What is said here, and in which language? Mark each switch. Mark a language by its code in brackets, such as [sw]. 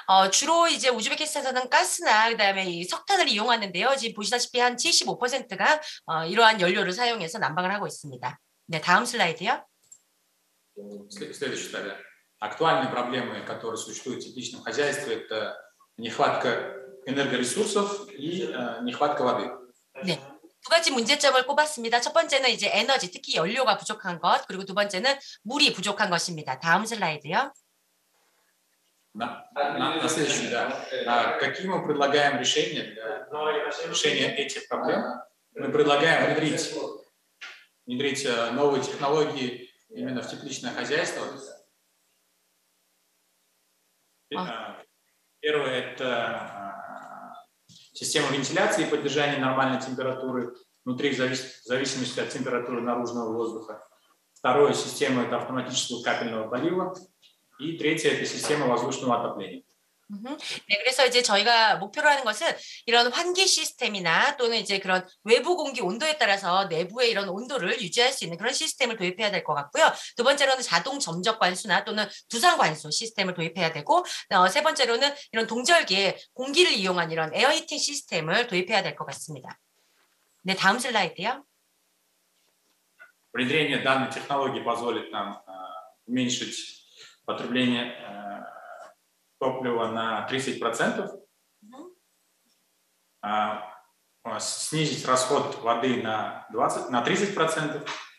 [ko] 주로 이제 우즈베키스탄에서는 가스나 그다음에 이 석탄을 이용하는데요. 지금 보시다시피 한 75%가 이러한 연료를 사용해서 난방을 하고 있습니다. 네, 다음 슬라이드요. [ru] Следующий тогда. Актуальные проблемы, которые существуют в типичном хозяйстве, это нехватка энергоресурсов и нехватка воды. Нет. [ko] 두 가지 문제점을 꼽았습니다. 첫 번째는 이제 에너지, 특히 연료가 부족한 것, 그리고 두 번째는 물이 부족한 것입니다. 다음 슬라이드요. [ru] 나 следующий, да. Какие мы предлагаем решения для решения этих проблем? Мы предлагаем внедрить новые технологии именно в тепличное хозяйство. Первое – это система вентиляции и поддержания нормальной температуры внутри в зависимости от температуры наружного воздуха. Второе – система это автоматического капельного полива. И третье – это система воздушного отопления. [ko] 네, 그래서 이제 저희가 목표로 하는 것은 이런 환기 시스템이나 또는 이제 그런 외부 공기 온도에 따라서 내부의 이런 온도를 유지할 수 있는 그런 시스템을 도입해야 될것 같고요. 두 번째로는 자동 점적 관수나 또는 두상 관수 시스템을 도입해야 되고, 세 번째로는 이런 동절기에 공기를 이용한 이런 에어 히팅 시스템을 도입해야 될것 같습니다. 네, 다음 슬라이드요. [ru] Внедрение данной технологии позволит нам уменьшить потребление топлива на 30%, снизить расход воды на 30%,